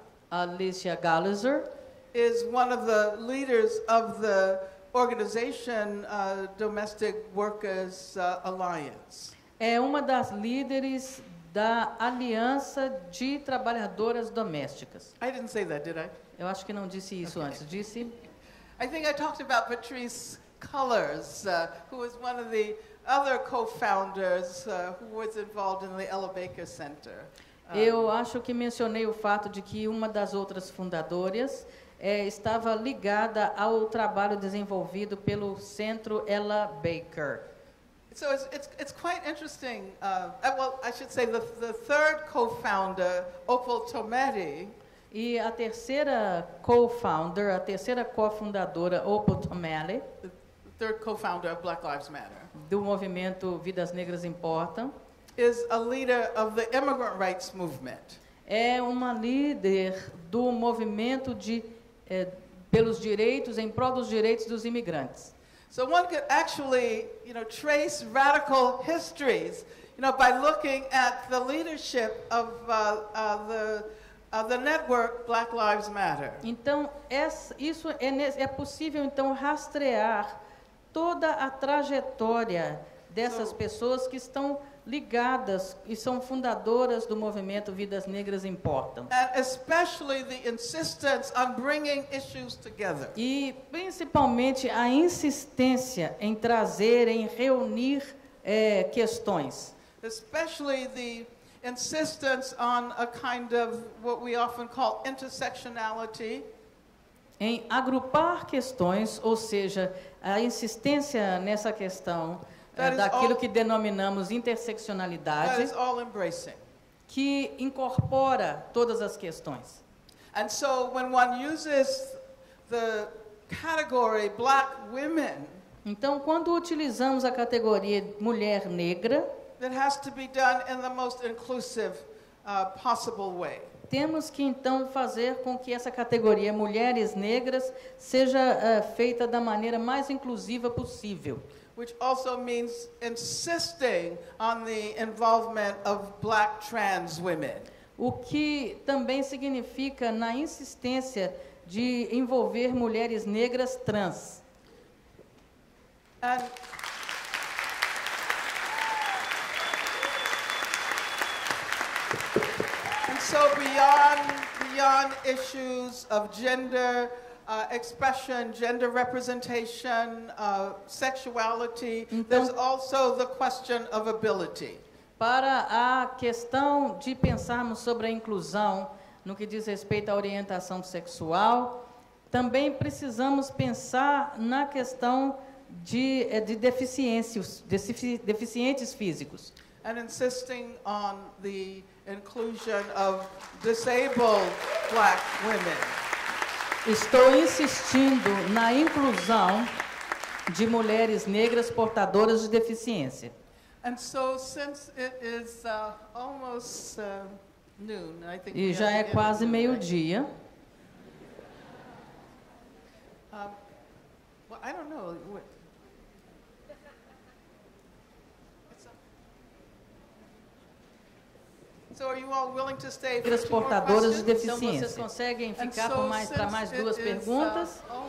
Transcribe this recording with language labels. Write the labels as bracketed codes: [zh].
[en] Alicia Garza, is one of the leaders of the organization Domestic Workers Alliance. [pt] É uma das líderes da Aliança de Trabalhadoras Domésticas. [en] I didn't say that, did I? [pt] Eu acho que não disse isso antes. Disse? [en] I think I talked about Patrice Cullors, who was one of the other co-founders who was involved in the Ella Baker Center. [pt] Eu acho que mencionei o fato de que uma das outras fundadoras estava ligada ao trabalho desenvolvido pelo Centro Ella Baker. [en] So it's quite interesting. Well, I should say the third co-founder, Opal Tometi. [pt] E a terceira co-founder, a terceira cofundadora, Opal Tometi. [en] The third co-founder of Black Lives Matter. [pt] Do movimento Vidas Negras Importam. [en] Is a leader of the immigrant rights movement. [pt] É uma líder do movimento de pelos direitos, em prol dos direitos dos imigrantes. [en] So one could actually, you know, trace radical histories, you know, by looking at the leadership of the of the network Black Lives Matter. [pt] Então, isso é possível então rastrear toda a trajetória dessas pessoas que estão ligadas e são fundadoras do movimento Vidas Negras Importam. [en] And especially the insistence on bringing issues together. [pt] E principalmente a insistência em trazer, em reunir questões. [en] Especially the insistence on a kind of what we often call intersectionality. [pt] Em agrupar questões, ou seja, a insistência nessa questão daquilo que denominamos interseccionalidade, que incorpora todas as questões. [en] And so when one uses the category black women, [pt] então quando utilizamos a categoria mulher negra, [en] it has to be done in the most inclusive possible way. [pt] Temos que então fazer com que essa categoria mulheres negras seja feita da maneira mais inclusiva possível. [en] Which also means insisting on the involvement of black trans women. [pt] O que também significa na insistência de envolver mulheres negras trans. [en] And so beyond issues of gender, expression, gender representation, sexuality, então, there's also the question of ability. [pt] Para a questão de pensarmos sobre a inclusão no que diz respeito à orientação sexual, também precisamos pensar na questão de deficiências, deficientes físicos. [en] And insisting on the inclusion of disabled black women. [pt] Estou insistindo na inclusão de mulheres negras portadoras de deficiência. [en] And so, since it is almost noon, I think. [pt] E já é quase meio-dia. [en] Well, I don't know. What... So are you all willing to stay for [pt] as portadoras de deficiência? Então, vocês conseguem ficar com mais para mais duas perguntas?